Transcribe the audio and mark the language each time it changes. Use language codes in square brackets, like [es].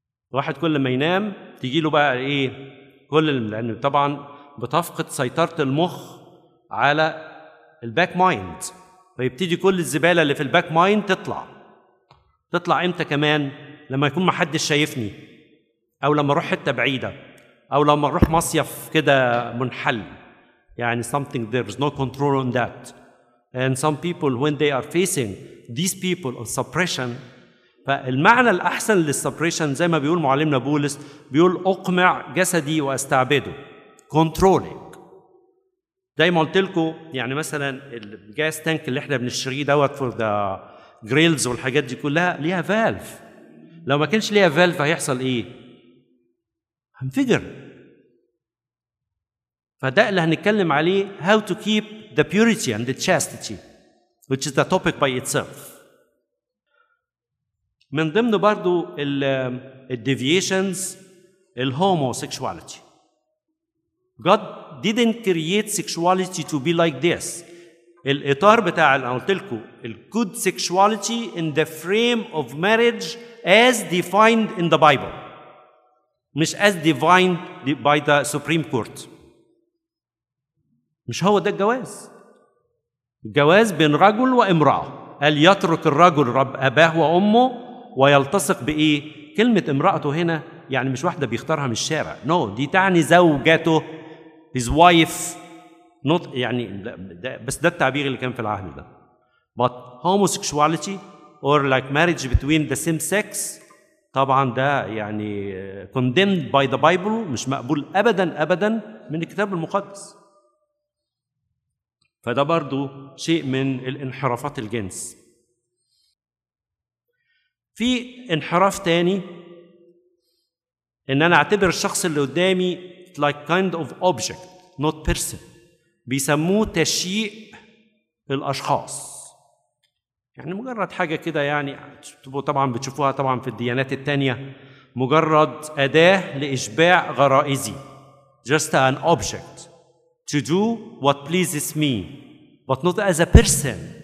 [ar] واحد كل ما ينام تيجي له بقى إيه؟ كل لأن طبعاً بتفقد سيطرة المخ على الباك مايند، فيبتدي كل الزبالة اللي في الباك مايند تطلع. تطلع إمتى كمان؟ لما يكون محدش شايفني، أو لما أروح حتة بعيدة، أو لما أروح مصيف كده منحل. يعني [en] something there is no control on that. And some people when they are facing these people of suppression. [ar] فالمعنى الأحسن للسبريشن زي ما بيقول معلمنا بولس، بيقول أقمع جسدي وأستعبده. [en] Controlling. [ar] زي ما قلتلكو، يعني مثلا الجاس تانك اللي احنا بنشتريه دوت [en] for the grills [ar] والحاجات دي كلها ليها فالف. لو ما كانش ليها فالف هيحصل ايه؟ هنفجر. فده اللي هنتكلم عليه، [en] how to keep the purity and the chastity, which is the topic by itself. [ar] من ضمنه برضو الديفيشنز الهوموسيكشواليتي. [en] God didn't create sexuality to be like this. [ar] الإطار بتاع اللي قلت لكم [en] الgood sexuality in the frame of marriage as defined in the Bible. [ar] مش [en] as defined by the Supreme Court. [ar] مش هو ده الجواز. الجواز بين رجل وامرأة. قال يترك الرجل رب أباه وأمه ويلتصق بإيه؟ كلمة امرأته هنا يعني مش واحدة بيختارها من الشارع. [en] No, [ar] دي تعني زوجته. [en] His wife. Not, [ar] يعني بس ده التعبير اللي كان في العهد ده. [en] But homosexuality or like marriage between the same sex [ar] طبعا ده يعني [en] condemned by the Bible، [ar] مش مقبول أبدا أبدا من الكتاب المقدس. فده برضو شيء من الانحرافات الجنس. في انحراف تاني، ان انا اعتبر الشخص اللي قدامي [en] like kind of object not person، [ar] بيسموه تشيء الاشخاص. يعني مجرد حاجه كده، يعني طبعا بتشوفوها طبعا في الديانات التانيه، مجرد اداه لاشباع غرائزي. [en] just an object to do what pleases me but not as a person.